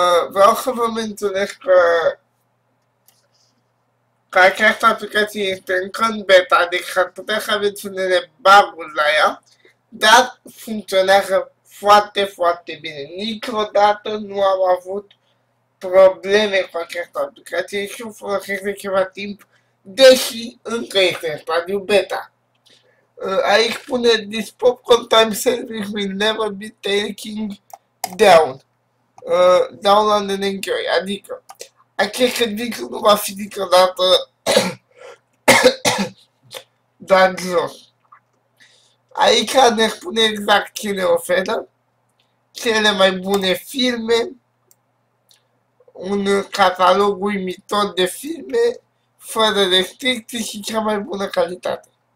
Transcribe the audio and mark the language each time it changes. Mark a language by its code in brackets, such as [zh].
[ro] Vreau să vă menționez că această aplicație este încă în beta, adică ar putea să aveți unele bug-uri la ea, dar funcționează foarte, foarte bine. Niciodată nu am avut probleme cu această aplicație și o folosesc de ceva timp, deși încă este în stadiu beta. Aici spune, [en] this popcorn time service will never be taking down. Download and enjoy. [ro] Adică, acest serviciu nu va fi niciodată dat jos. Aici ne spune exact ce ne oferă, cele mai bune filme, un catalog uimitor de filme, fără restricții și cea mai bună calitate.